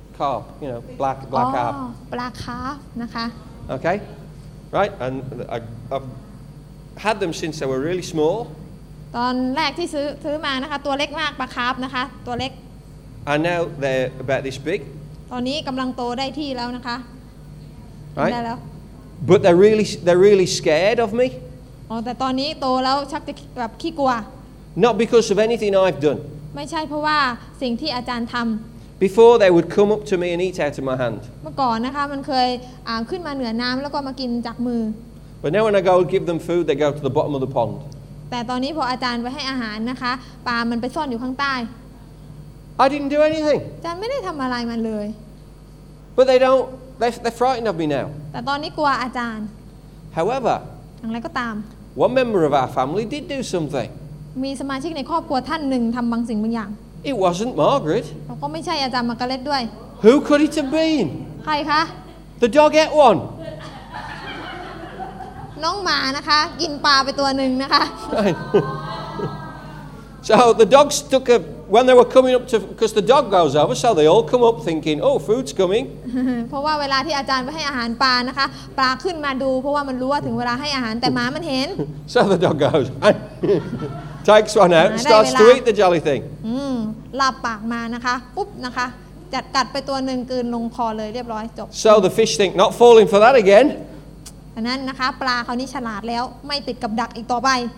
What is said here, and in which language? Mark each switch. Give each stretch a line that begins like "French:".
English: Carp, you know, black carp. Oh, black carp, okay. Okay, right, and I've had them since they were really small.
Thai: ตอนแรกที่ซื้อมานะคะตัวเล็กมากปลาคาร์ฟนะคะตัวเล็ก
English: And now they're about this big.
Thai: ตอนนี้กำลังโตได้ที่แล้วนะคะ
English: Right.
Thai: ได้แล้ว
English: But they're really scared of me.
Thai: Oh, แต่ตอนนี้โตแล้วชักจะแบบขี้กลัว
English: Not because of anything I've done.
Thai: ไม่ใช่เพราะว่าสิ่งที่อาจารย์ทำ
English: Before they would come up to me and eat out of my hand.
Thai: เมื่อก่อนนะคะมันเคยขึ้นมาเหนือน้ำแล้วก็มากินจากมือ
English: But now when I go and give them food, they go to the bottom of the pond.
Thai: แต่ตอนนี้พออาจารย์ไปให้อาหารนะคะปลามันไปซ่อนอยู่ข้างใต้
English: I didn't do anything.
Thai: อาจารย์ไม่ได้ทำอะไรมันเลย
English: But they don't. They're frightened of me now.
Thai: แต่ตอนนี้กลัวอาจารย์
English: However,
Thai: อย่างไรก็ตาม
English: One member of our family did do something.
Thai: มีสมาชิกในครอบครัวท่านหนึ่งทำบางสิ่งบางอย่าง
English: It wasn't Margaret.
Thai: แล้วก็ไม่ใช่อาจารย์มาร์กาเร็ตด้วย
English: Who could it have been?
Thai: ใครคะ
English: The dog ate one.
Thai: น้องหมานะคะกินปลาไปตัวหนึ่งนะคะ
English: So the dogs took a when they were coming up to because the dog goes over so they all come up thinking oh food's coming.
Thai: เพราะว่าเวลาที่อาจารย์ไปให้อาหารปลานะคะปลาขึ้นมาดูเพราะว่ามันรู้ว่าถึงเวลาให้อาหารแต่หมามันเห็น
English: So the dog goes takes one out starts to eat the jelly thing.
Thai: ลาบปากมานะคะปุ๊บนะคะจัดกัดไปตัวหนึ่งกินลงคอเลยเรียบร้อยจบ
English: So the fish think not falling for that again
Thai: อันนั้นนะคะปลาเขานี่ฉลาดแล้วไม่ติดกับดักอีกต่อไป